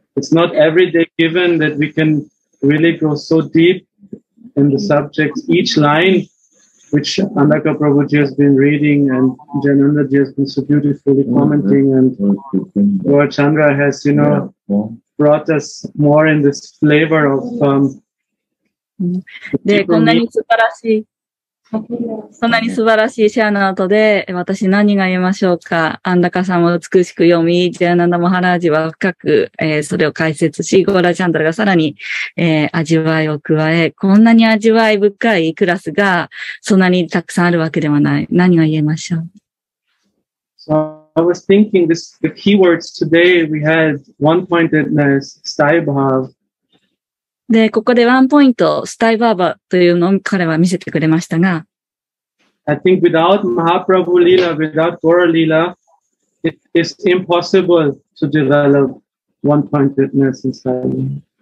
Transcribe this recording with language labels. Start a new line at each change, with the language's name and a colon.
English: It's not every day given that we can really go so deep in the subjects, each line,which Anaka Prabhuji has been reading and Janandaji has been so beautifully commenting and Gaur Chandra has, you know, brought us more in this flavor of,
Japanese: で、こんなに素晴らしい、そんなに素晴らしいシャーナートで、私何が言いましょうか。アンダカさんも美しく読み、ジャーナナ・マハラージは深く、それを解説し、ゴーラ・チャンドラがさらに、味わいを加え、こんなに味わい深いクラスが、そんなにたくさんあるわけではない。何が言えましょう。
English: So, I was thinking this, the keywords today we had one-pointedness, stibhav,
Japanese: で、ここでワンポイント、スタイバーバというのを彼は見せてくれましたが。
English: I think without Mahaprabhu Leela, without Gaura Leela, it is impossible to develop one-pointedness inside.